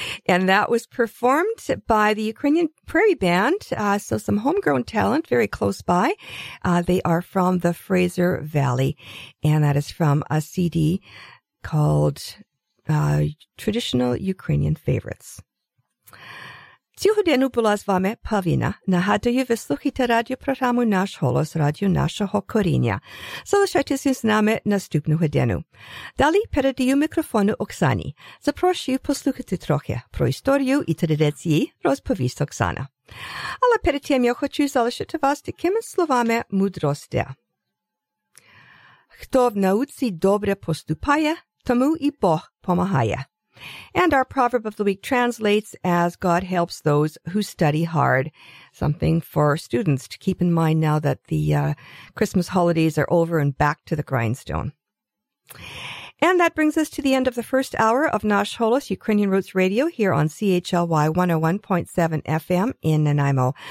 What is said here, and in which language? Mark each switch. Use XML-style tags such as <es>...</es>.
<en>And that was performed by the Ukrainian Prairie Band. So some homegrown talent very close by. They are from the Fraser Valley, and that is from a CD called Traditional Ukrainian Favorites.</en> <uk>Цього дня була з вами Павіна. Нагадую, ви слухаєте радіопрограму «Наш голос», радіо нашого коріння. Залишайтеся з нами наступного дня. Далі передаю мікрофону Оксані. Запрошую послухати трохи про історію і традиції, розповість Оксана. Але перед тим я хочу залишити вас такими словами мудрості. Хто в науці добре поступає, тому і Бог помагає.</uk> <en>And our proverb of the week translates as God helps those who study hard. Something for students to keep in mind now that the Christmas holidays are over and back to the grindstone. And that brings us to the end of the first hour of Nash Holos Ukrainian Roots Radio here on CHLY 101.7 FM in Nanaimo.</en>